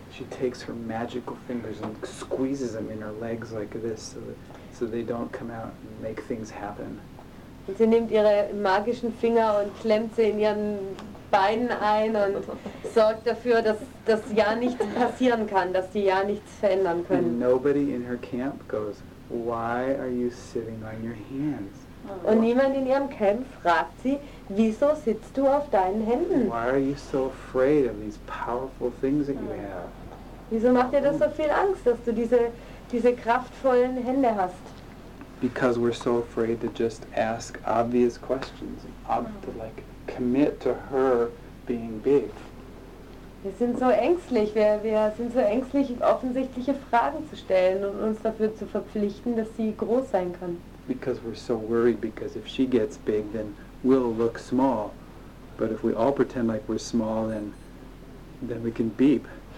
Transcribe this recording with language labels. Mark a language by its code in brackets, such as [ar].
[en] She takes her magical fingers and squeezes them in her legs like this. So they don't come out and make things happen. [de] Und sie nimmt ihre magischen Finger und klemmt sie in ihren Beinen ein und sorgt dafür, dass ja nichts passieren kann, dass die ja nichts verändern können. [en] And nobody in her camp goes, why are you sitting on your hands? [de] Und niemand in ihrem Camp fragt sie, wieso sitzt du auf deinen Händen? [en] Why are you so afraid of these powerful things that you have? [de] Wieso macht dir das so viel Angst, dass du diese kraftvollen Hände hast? [en] Because we're so afraid to just ask obvious questions, to like commit to her being big. [de] Wir sind so ängstlich, offensichtliche Fragen zu stellen und uns dafür zu verpflichten, dass sie groß sein kann. [en] Because we're so worried, because if she gets big, then we'll look small. But if we all pretend like we're small, then we can beep.